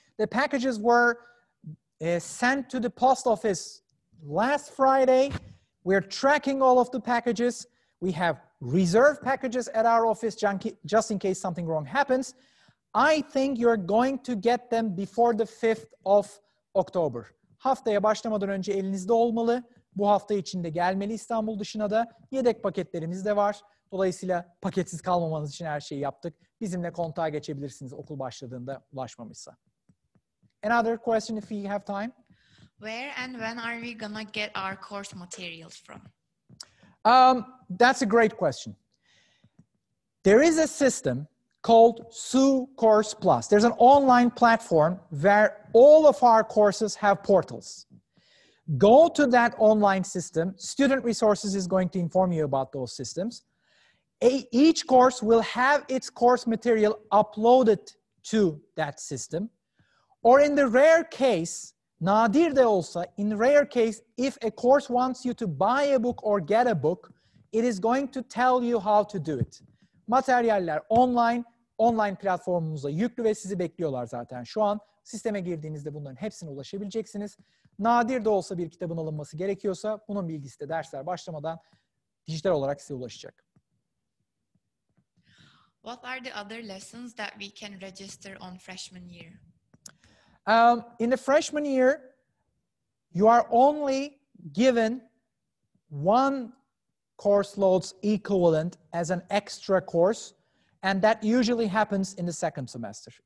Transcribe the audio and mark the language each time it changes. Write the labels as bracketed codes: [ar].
[en] The packages were sent to the post office last Friday. We're tracking all of the packages. We have reserve packages at our office just in case something wrong happens. I think you're going to get them before the 5th of October. [tr] Haftaya başlamadan önce elinizde olmalı. Bu hafta içinde gelmeli İstanbul dışına da. Yedek paketlerimiz de var. Dolayısıyla paketsiz kalmamanız için her şeyi yaptık. Bizimle kontağa geçebilirsiniz okul başladığında ulaşmamışsa. [en] Another question if you have time. Where and when are we gonna get our course materials from? That's a great question. There is a system called SU Course Plus. There's an online platform where all of our courses have portals. Go to that online system. Student Resources is going to inform you about those systems. Each course will have its course material uploaded to that system. Or in the rare case, [tr] nadir de olsa, [en] in rare case, if a course wants you to buy a book or get a book, It is going to tell you how to do it. [tr] Materyaller online, online platformumuza yüklü ve sizi bekliyorlar zaten şu an. Sisteme girdiğinizde bunların hepsine ulaşabileceksiniz. Nadir de olsa bir kitabın alınması gerekiyorsa bunun bilgisi de dersler başlamadan dijital olarak size ulaşacak. [en] What are the other lessons that we can register on freshman year? In the freshman year, you are only given one course loads equivalent as an extra course, and that usually happens in the second semester.